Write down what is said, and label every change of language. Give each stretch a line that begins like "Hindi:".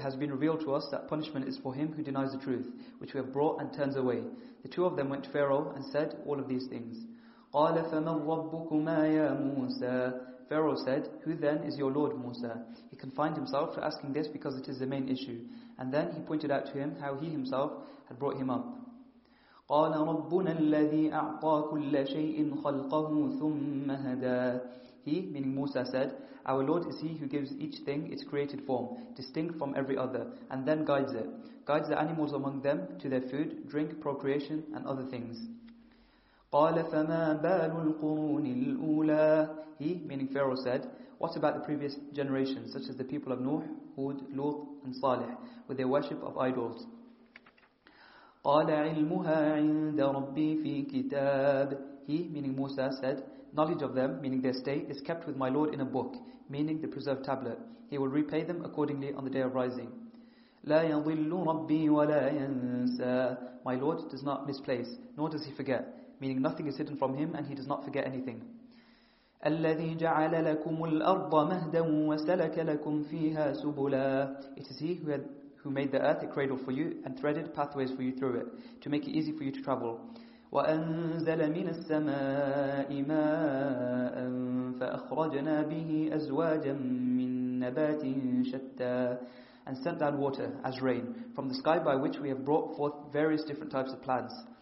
English: It has been revealed to us that punishment is for him who denies the truth, which we have brought and turns away. The two of them went to Pharaoh and said all of these things.
Arabic: قَالَ فَمَنْ رَبُّكُمَا يَا مُوسَى.
English: Pharaoh said, who then is your Lord Musa? He confined himself to asking this because it is the main issue. And then he pointed out to him how he himself had brought him up.
Arabic: قال ربنا الذي أعطى كل شيء خلقه ثم هدى.
English: He, meaning Musa, said, our Lord is he who gives each thing its created form, distinct from every other, and then guides it. Guides the animals among them to their food, drink, procreation, and other things.
Arabic: قال فما بال القرون الأولى.
English: He, meaning Pharaoh, said, what about the previous generations, such as the people of Nuh, Hud, Lut, and Salih, with their worship of idols?
Arabic: قال علمها عند ربي في كتاب.
English: He, meaning Musa, said, knowledge of them, meaning their state, is kept with my Lord in a book, meaning the preserved tablet. He will repay them accordingly on the day of rising.
Arabic: لا يضل ربي ولا ينسى.
English: My Lord does not misplace, nor does he forget, meaning nothing is hidden from him and he does not forget anything.
Arabic: الذي جعل لكم الأرض مهدا وسلك لكم فيها سبلا.
English: It is he who had who made the earth a cradle for you and threaded pathways for you through it to make it easy for you to travel.
Arabic: وَأَنزَلَ مِنَ السَّمَاءِ مَاءً فَأَخْرَجْنَا بِهِ أَزْوَاجًا مِّن نَّبَاتٍ شَتَّى.
English: And sent down water as rain from the sky, by which we have brought forth various different types of plants.